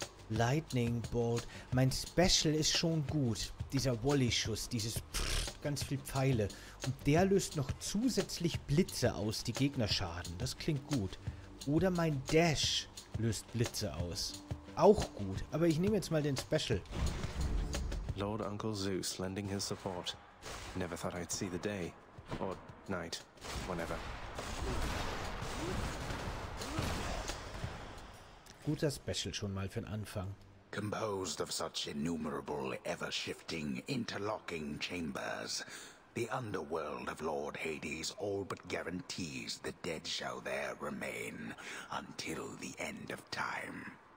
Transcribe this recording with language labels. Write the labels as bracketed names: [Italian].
[German] Lightning Bolt. Mein Special ist schon gut. Dieser Wally-Schuss, dieses... ganz viel Pfeile. Und der löst noch zusätzlich Blitze aus, die Gegner schaden. Das klingt gut. Oder mein Dash löst Blitze aus. Auch gut, aber ich nehme jetzt mal den Special. [English] Lord Uncle Zeus lending his support. Never thought I'd see the day. Or night. Whenever. [German] Guter Special schon mal für den Anfang. [English] Composed of such innumerable, ever-shifting, interlocking chambers. The underworld of Lord Hades all but guarantees the dead shall there remain until the end of time.